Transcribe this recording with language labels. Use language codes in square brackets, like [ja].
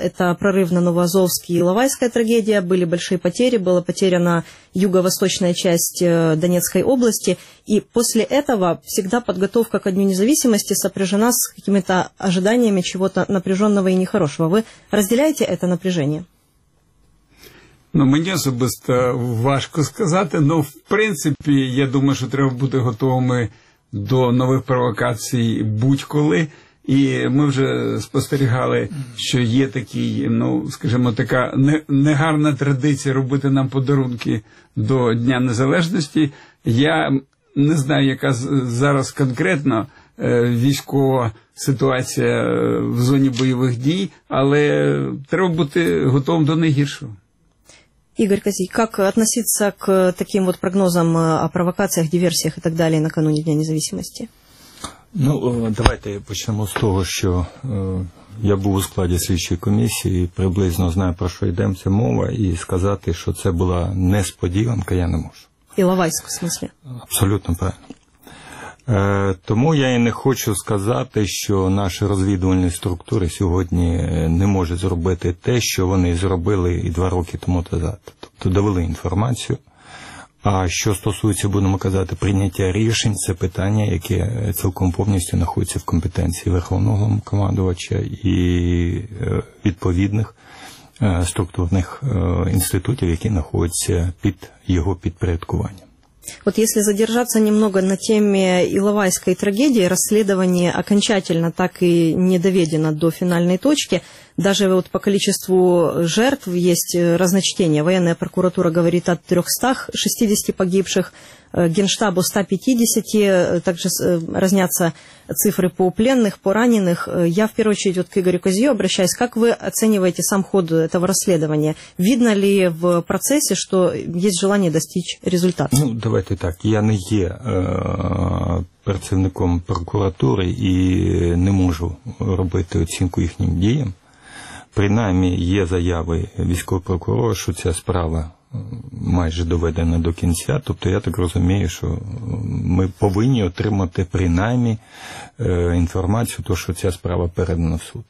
[ru] Это прорыв на Новоазовский и Лавайская трагедия. Были большие потери, была потеряна юго-восточная часть Донецкой области. И после этого всегда подготовка ко Дню независимости сопряжена с какими-то ожиданиями чего-то напряженного и нехорошего. Вы разделяете это напряжение? [uk] Ну, мені особисто важко сказати, але в принципі, я думаю, що треба бути готовими до нових провокацій будь-коли. І ми вже спостерігали, що є такий, ну, скажімо, така негарна традиція робити нам подарунки до Дня Незалежності. Я не знаю, яка зараз конкретно військова ситуація в зоні бойових дій, але треба бути готовим до найгіршого. [ru] Игорь Козий, как относиться к таким вот прогнозам о провокациях, диверсиях и так далее накануне Дня Независимости? [uk] Ну, давайте почнемо з того, що я був у складі слідчої комісії, приблизно знаю, про що йдеться мова, і сказати, що це була несподіванка, я не можу. [ru] Іловайську, в смысле? [uk] Абсолютно правильно. Тому я і не хочу сказати, що наші розвідувальні структури сьогодні не можуть зробити те, що вони зробили і два роки тому назад. Тобто довели інформацію. А що стосується, будемо казати, прийняття рішень, це питання, яке цілком повністю знаходиться в компетенції Верховного командувача і відповідних структурних інститутів, які знаходяться під його підпорядкуванням. [ru] Вот если задержаться немного на теме Иловайской трагедии, расследование окончательно так и не доведено до финальной точки. Даже вот по количеству жертв есть разночтения. Военная прокуратура говорит о 360 погибших, генштабу 150, также разнятся цифры по пленных, по раненых. Я в первую очередь вот к Игорю Козию обращаюсь. Как вы оцениваете сам ход этого расследования? Видно ли в процессе, что есть желание достичь результата? [uk] Ну, давайте так. Я не є працівником прокуратури і не можу робити оцінку їхнім діям. Принаймні, є заяви військового прокурора, що ця справа майже доведена до кінця. Тобто я так розумію, що ми повинні отримати принаймні інформацію, то, що ця справа передана в суд.